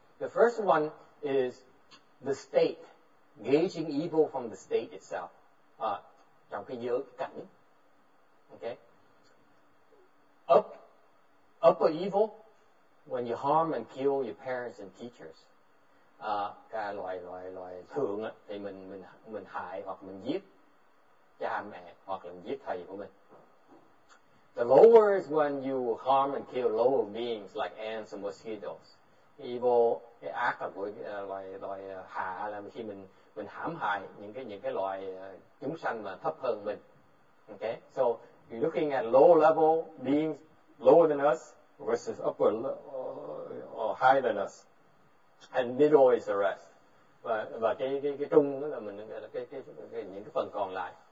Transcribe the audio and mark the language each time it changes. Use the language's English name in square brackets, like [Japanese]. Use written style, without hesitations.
[English] The first one is the state, gauging evil from the state itself, [Vietnamese] trong cái giới cảnh. [English] Okay. Upper evil, when you harm and kill your parents and teachers, [Vietnamese] cái loại thượng á, thì mình hại hoặc mình giết cha mẹ hoặc là mình giết thầy của mình. [English] The lower is when you harm and kill lower beings like ants and mosquitoes. [Vietnamese] Evil, cái ác là của loài hạ là khi mình hãm hại những cái loài chúng sanh mà thấp hơn mình. [English] Okay, so you're looking at lower level beings lower than us versus upper or higher than us, and middle is the rest. [Vietnamese] Và cái trung đó là mình là cái những cái phần còn lại.